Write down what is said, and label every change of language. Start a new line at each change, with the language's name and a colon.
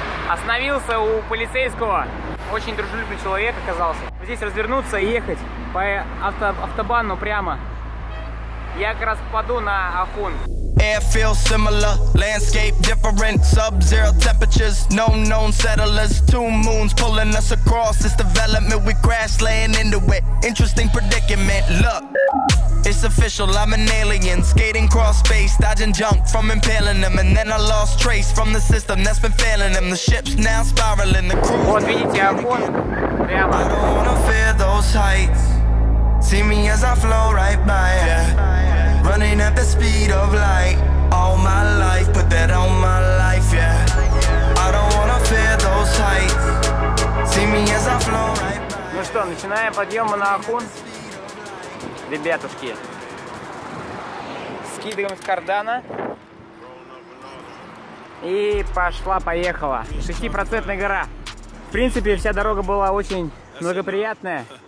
Russian: Остановился у полицейского. Очень дружелюбный человек оказался. Здесь развернуться и ехать по автобану прямо. Я как раз попаду на Ахун.
English: Air feels similar, landscape different, sub-zero temperatures, no known settlers, two moons pulling us across, it's development, we crash land into it, interesting predicament, look, it's official, I'm an alien, skating cross space, dodging junk from impaling them, and then I lost trace from the system that's been failing them, the ship's now spiraling, the crew.
Russian: Вот видите, Ахун, прямо.
English: I don't wanna fear those heights, see me as I flow right by, yeah. Running at the speed of light, all my life, put that on my life, yeah. I don't wanna fear those heights, see me as I flow right by.
Russian: Ну что, начинаем подъем на Ахун. Ребятушки, скидываем с кардана. И пошла-поехала. 6% гора. В принципе, вся дорога была очень благоприятная.